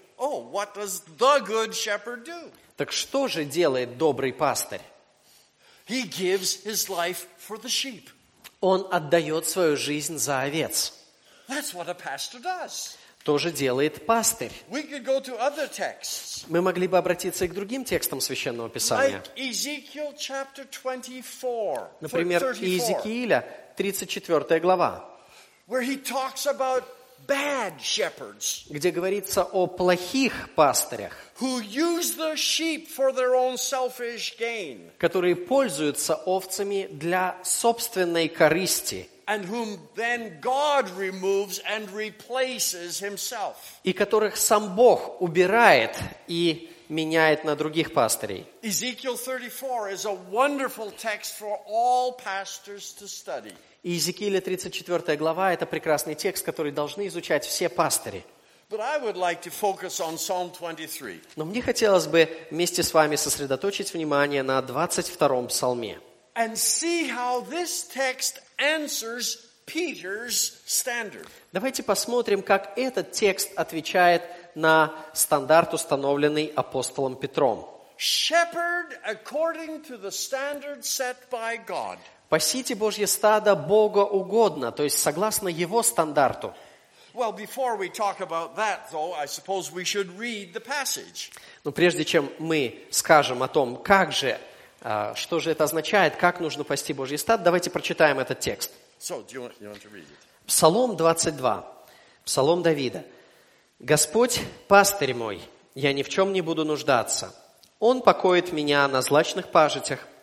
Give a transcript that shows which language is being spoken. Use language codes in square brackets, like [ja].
[en] Oh, what does the good shepherd do? [ru] Так что же делает добрый пастырь? [en] He gives his life for the sheep. [ru] Он отдает свою жизнь за овец. [en] That's what a pastor does. [ru] То же делает пастырь. [en] We could go to other texts. [ru] Мы могли бы обратиться и к другим текстам Священного Писания. [en] Like Ezekiel chapter 24. [ru] Например, Иезекииля, 34 глава. [en] Where he talks about bad shepherds, [ru] где говорится о плохих пастырях, [en] who use the sheep for their own selfish gain, [ru] которые пользуются овцами для собственной корысти, [en] and whom then God removes and replaces himself, [ru] и которых сам Бог убирает и меняет на других пастырей. [en] Ezekiel 34 is a wonderful text for all pastors to study. [ru] И Иезекииля 34 глава – это прекрасный текст, который должны изучать все пастыри. [en] But I would like to focus on Psalm 23. [ru] Но мне хотелось бы вместе с вами сосредоточить внимание на 22-м псалме. [en] And see how this text answers Peter's standard. [ru] Давайте посмотрим, как этот текст отвечает на стандарт, установленный апостолом Петром. [en] Shepherd according to the standard set by God. [ru] Пасите Божье стадо Бога угодно, то есть согласно Его стандарту. [en] Well, before we talk about that, though, I suppose we should read the passage. [ru] Но прежде чем мы скажем о том, как же, что же это означает, как нужно пасти Божье стадо, давайте прочитаем этот текст. [en] So, do you want to read it? [ru] Псалом 22. Псалом Давида. «Господь, пастырь мой, я ни в чем не буду нуждаться. Он покоит меня на злачных пажитях,